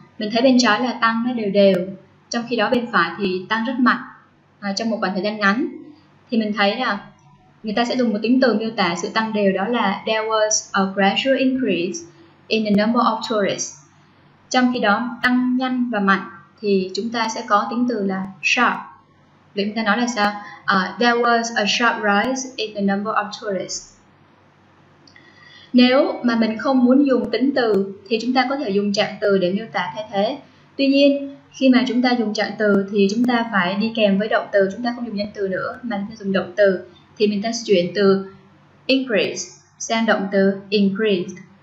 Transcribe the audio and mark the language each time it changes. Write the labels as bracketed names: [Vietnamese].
[Vietnamese] Mình thấy bên trái là tăng nó đều đều, trong khi đó bên phải thì tăng rất mạnh trong một khoảng thời gian ngắn. Thì mình thấy là người ta sẽ dùng một tính từ miêu tả sự tăng đều, đó là [English] there was a gradual increase in the number of tourists. [Vietnamese] Trong khi đó tăng nhanh và mạnh thì chúng ta sẽ có tính từ là sharp. Vậy chúng ta nói là sao? [English] There was a sharp rise in the number of tourists. [Vietnamese] Nếu mà mình không muốn dùng tính từ thì chúng ta có thể dùng trạng từ để miêu tả thay thế. Tuy nhiên, khi mà chúng ta dùng trạng từ thì chúng ta phải đi kèm với động từ, chúng ta không dùng danh từ nữa mà chúng ta dùng động từ. Thì mình ta chuyển từ increase sang động từ increased.